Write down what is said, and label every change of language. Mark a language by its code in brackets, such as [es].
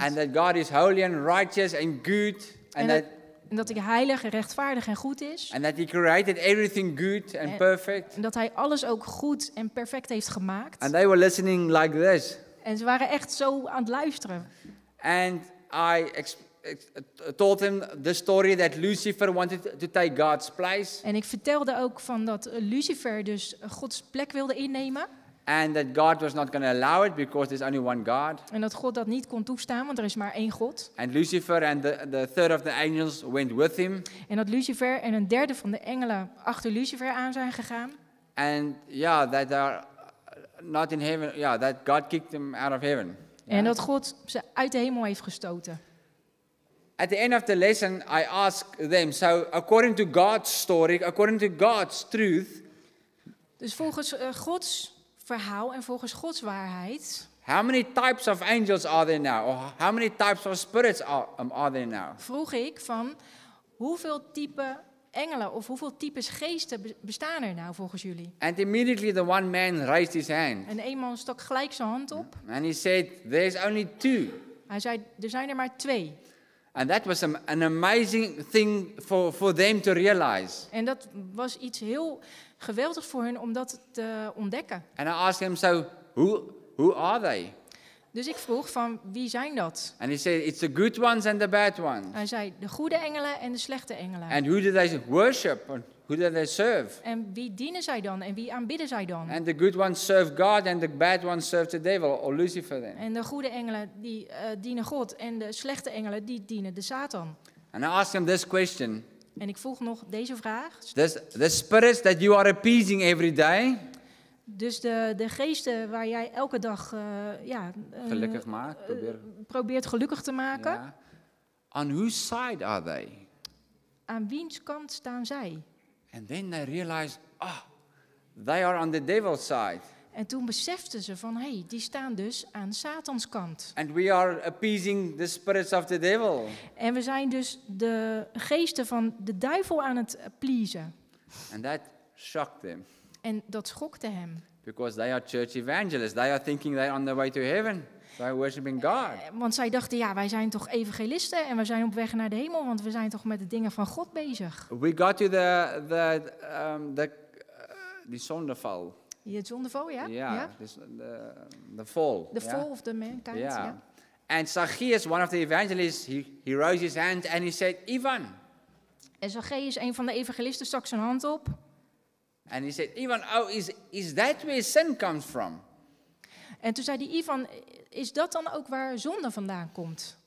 [en] And that God is holy and righteous and good. [nl] En dat hij heilig, rechtvaardig en goed is. [en] And that he created everything good and perfect. [nl] En dat hij alles ook goed en perfect heeft gemaakt. [en] And they were listening like this. [nl] En ze waren echt zo aan het luisteren. [en] And I told him the story that Lucifer wanted to take God's place. [nl] En ik vertelde ook van dat Lucifer dus Gods plek wilde innemen. [en] And that God was not going to allow it because there's only one God. [nl] En dat God dat niet kon toestaan, want er is maar één God. [en] And Lucifer and the third of the angels went with him. [nl] En dat Lucifer en een derde van de engelen achter Lucifer aan zijn gegaan. [en] And yeah, that they are not in heaven. Yeah, that God kicked them out of heaven. Yeah. [nl] En dat God ze uit de hemel heeft gestoten. [en] At the end of the lesson, I ask them. So according to God's story, according to God's truth. [nl] Dus volgens Gods verhaal en volgens Gods waarheid. [en] How many types of angels are there now? Or how many types of spirits are there now? [nl] Vroeg ik van hoeveel type engelen of hoeveel types geesten bestaan er nou volgens jullie? [en] And immediately the one man raised his hand. [nl] En een man stak gelijk zijn hand op. [en] And he said, there's only two. [nl] Hij zei, er zijn er maar twee. [en] And that was an amazing thing for them to realize. [nl] En dat was iets heel geweldig voor hen om dat te ontdekken. [en] And I asked him, so who are they? [nl] Dus ik vroeg van wie zijn dat? [en] And he said, it's the good ones and the bad ones. [nl] Hij zei de goede engelen en de slechte engelen. [en] And who do they worship? Who do they serve? [nl] En wie dienen zij dan en wie aanbidden zij dan? [en] And the good ones serve God and the bad ones serve the devil or Lucifer then. [nl] En de goede engelen die dienen God en de slechte engelen die dienen de Satan. [en] And I asked him this question. [nl] En ik vroeg nog deze vraag. [en] The spirits that you are appeasing every day. [nl] Dus de geesten waar jij elke dag gelukkig maakt, probeert gelukkig te maken. [en] Yeah. On whose side are they? [nl] Aan wiens kant staan zij? [en] And then they realize, they are on the devil's side. [nl] En toen beseften ze van, hey, die staan dus aan Satans kant. [en] And we are appeasing the spirits of the devil. [nl] En we zijn dus de geesten van de duivel aan het pleasen. [en] And that shocked them. [nl] En dat schokte hem. [en] Because they are church evangelists. They are thinking they're on their way to heaven. By worshiping God. [nl] Want zij dachten, ja, wij zijn toch evangelisten en we zijn op weg naar de hemel, want we zijn toch met de dingen van God bezig. [en] We got to the [nl] zondeval. Je zondeval, ja. Ja, de [en] fall. The fall of the mankind. Ja. En Zacchaeus, one of the evangelists, he rose his hand and he said, Ivan. [nl] En Zacchaeus, een van de evangelisten, stak zijn hand op. [en] And he said, Ivan, oh, is that where sin comes from? [nl] En toen zei die Ivan, is dat dan ook waar zonde vandaan komt?